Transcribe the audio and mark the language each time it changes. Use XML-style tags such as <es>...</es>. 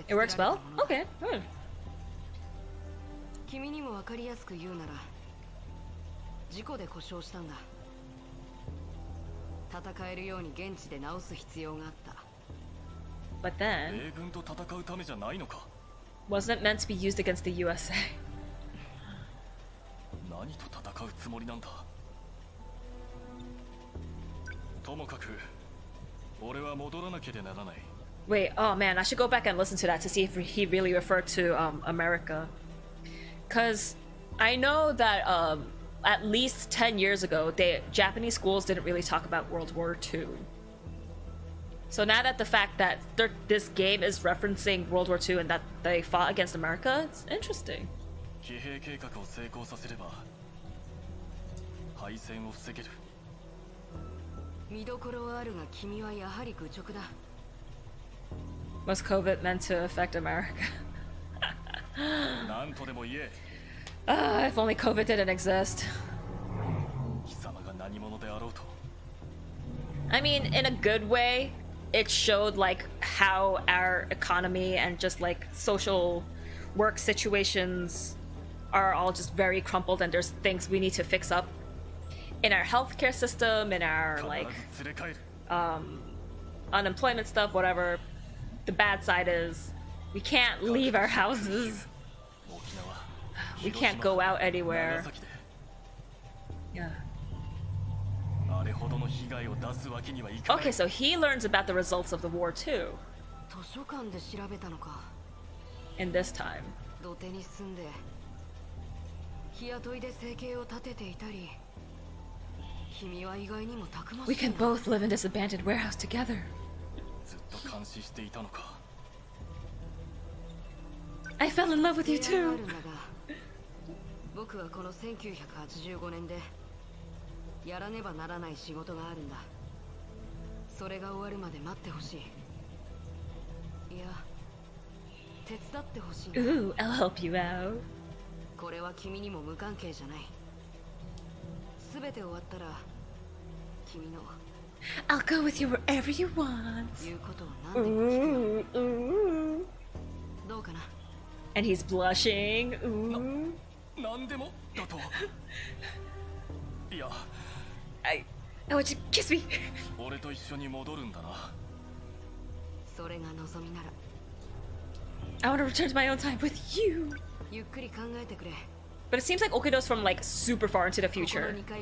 <ja>作られたものだ。</ja> <en>It works well? Okay. Hmm.</en> <ja>君にもわかりやすく言うなら、事故で故障したんだ。戦えるように現地で直す必要があった。</ja> <en>But then,</en> <ja>米軍と戦うためじゃないのか。</ja> <en>Wasn't it meant to be used against the USA?</en> <ja>何と戦うつもりなんだ。ともかく、俺は戻らなきゃならない。</ja> <en>Wait, oh man, I should go back and listen to that to see if he really referred to America. Cause I know that at least 10 years ago, Japanese schools didn't really talk about World War II. So now that the fact that this game is referencing World War II and that they fought against America, it's interesting.</en> <ja>騎兵計画を成功させれば敗戦を防げる。見どころはあるが君はやはり愚直だ。</ja> <en>Was COVID meant to affect America?</en> <ja>なんとでも言え。</ja> <en>If only COVID didn't exist.</en> <ja>貴様が何者であろうと。</ja> <en>I mean, in a good way, it showed like how our economy and just like social work situations are all just very crumpled and there's things we need to fix up in our healthcare system, in our like unemployment stuff, whatever. The bad side is we can't leave our houses. We can't go out anywhere. Yeah.</en> <ja>あれほどの被害を出すわけにはいかない。</ja> <en>Okay, so he learns about the results of the war too.</en> <ja>図書館で調べたのか。</ja> <en>In this time.</en> <ja>土手に住んで日雇いで生計を立てていたり、君は意外にもたくまし</ja> <en>い。 We can both live in this abandoned warehouse together.</en> <ja>ずっと監視していたのか。</ja> <en>I fell in love with you too.</en> <ja>僕はこの1985年でやらねばならない仕事があるんだ。それが終わるまで待ってほしい。いや、手伝ってほしい。</ja> <en>Ooh, I'll help you out.</en> <ja>これは君にも無関係じゃない。すべて終わったら、君の。</ja> <en>I'll go with you wherever you want.</en> <ja>いうことを何でも聞くよ。どうかな。</ja> <en>And he's blushing. Ooh.</en> <ja>何でもだと。いや。</ja> <en>I want you to kiss me.</en> <ja>俺と一緒に戻るんだな。それが望みなら。</ja> <en>I want to return to my own time with you.</en> <ja>ゆっくり考えてくれ。</ja> <en>But it seems like Okido's from like super far into the future.</en>